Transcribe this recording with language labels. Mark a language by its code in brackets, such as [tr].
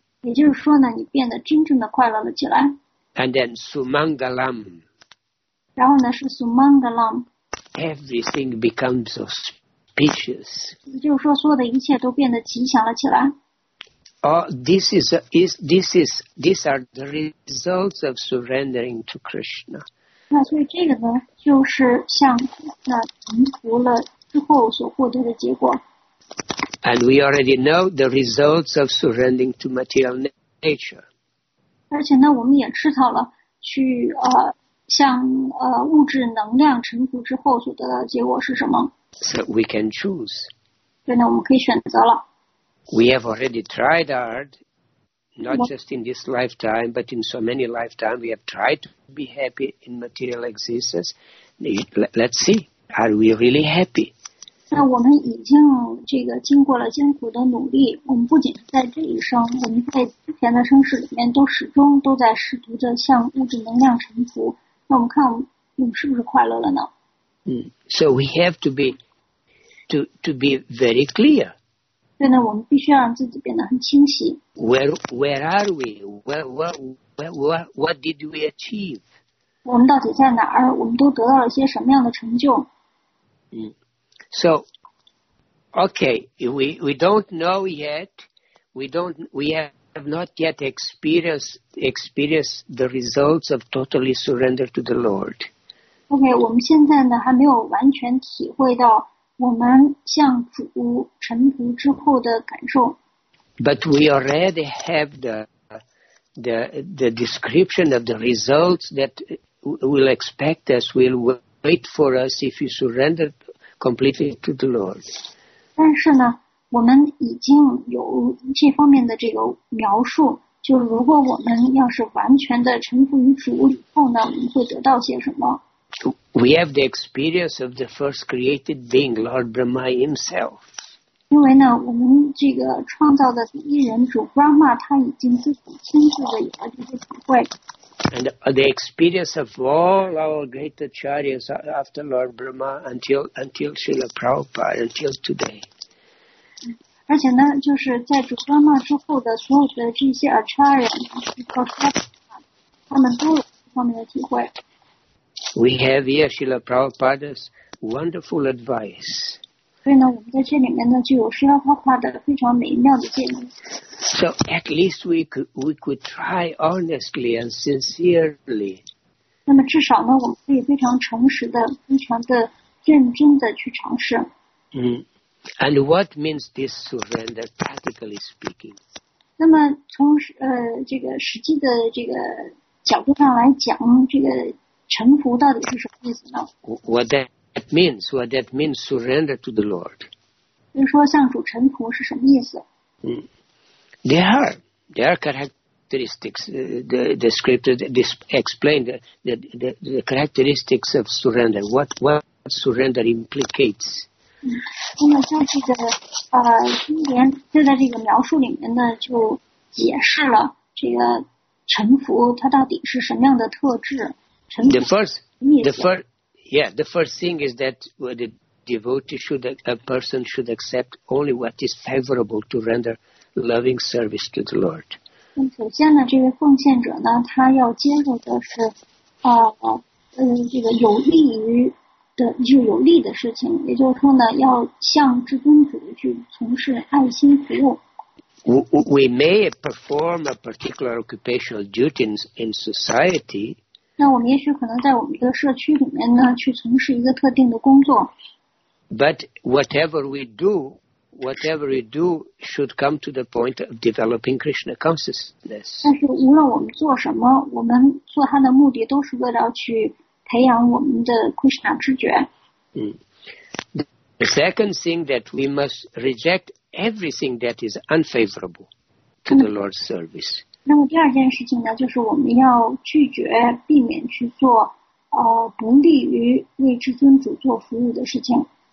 [zh] 也就是说呢，你变得真正的快乐了起来。 [en] And then sumangalam. [zh] 然后呢，是 sumangalam。 [en] Everything becomes auspicious. [zh] 也就是说，所有的一切都变得吉祥了起来。 [en] These are the results of surrendering to Krishna. [zh] 那所以这个呢，就是像那成佛了之后所获得的结果。 [en] And we already know the results of surrendering to material nature. [zh] 而且呢，我们也知道了去向物质能量臣服之后所得到的结果是什么。 [en] So we can choose. [zh] 对呢，我们可以选择了。 [en] We have already tried hard, not just in this lifetime, but in so many lifetimes, we have tried to be happy in material existence. Let's see, are we really happy? [zh] 那我们已经这个经过了艰苦的努力，我们不仅是在这一生，我们在之前的生世里面都始终都在试图着向物质能量臣服。那我们看我们是不是快乐了呢？ [en] 嗯 ，So we have to be very clear. [zh] 对呢，我们必须让自己变得很清晰。 [en] Where are we? What did we achieve? [zh] 我们到底在哪儿？我们都得到了些什么样的成就？ [en] 嗯。So, okay, we don't know yet. We have not yet experienced the results of totally surrender to the Lord. [zh] Okay, 我们现在呢还没有完全体会到我们向主臣服之后的感受。 [en] But we already have the description of the results that will expect us, will wait for us if you surrender. Completely to the Lord. [zh] 但是呢，我们已经有这方面的这个描述，就是如果我们要是完全的臣服于主以后呢，我们会得到些什么 [en] ？We have the experience of the first created being, Lord Brahma himself. [zh] 因为呢，我们这个创造的第一人主 Brahma 他已经自己亲自的有了这些体会。 [en] And the experience of all our great acharyas after Lord Brahma until Srila Prabhupada until today. [zh] 而且呢，就是在主婆那之后的所有的这些 acharya， 他们都有这方面的体会。 [en] We have here Srila Prabhupada's wonderful advice. [zh] 所以呢，我们在这里面呢，就有 Srila Prabhupada 非常美妙的建议。 [en] So at least we could try honestly and sincerely. [zh] 那么至少呢，我们可以非常诚实的、非常的认真的去尝试。 [en] 嗯。And what means this surrender, practically speaking? [zh] 那么从这个实际的这个角度上来讲，这个臣服到底是什么意思呢 [en] ？What that means? Surrender to the Lord. [zh] 就是说向主臣服是什么意思？嗯。 [en] There are characteristics, the scripture explained the characteristics of surrender. What surrender implicates? [zh] 嗯，那么在这个经典就在这个描述里面呢，就解释了这个臣服它到底是什么样的特质。臣服 [en] The first thing is that the devotee should a person should accept only what is favorable to render. Loving service to the Lord. [zh] 首先呢，这位奉献者呢，他要接受的是，这个有利于的，就有利的事情。也就是说呢，要向至尊主去从事爱心服务。 [en] We may perform a particular occupational duty in society. [zh] 那我们也许可能在我们的社区里面呢，去从事一个特定的工作。 [en] But whatever we do. Whatever we do should come to the point of developing Krishna consciousness. [zh] 但是无论我们做什么，我们做它的目的都是为了去培养我们的 Krishna 知觉。嗯。 [en] The second thing that we must reject everything that is unfavorable to the Lord's service. [zh] 那么第二件事情呢，就是我们要拒绝、避免去做不利于为至尊主做服务的事情。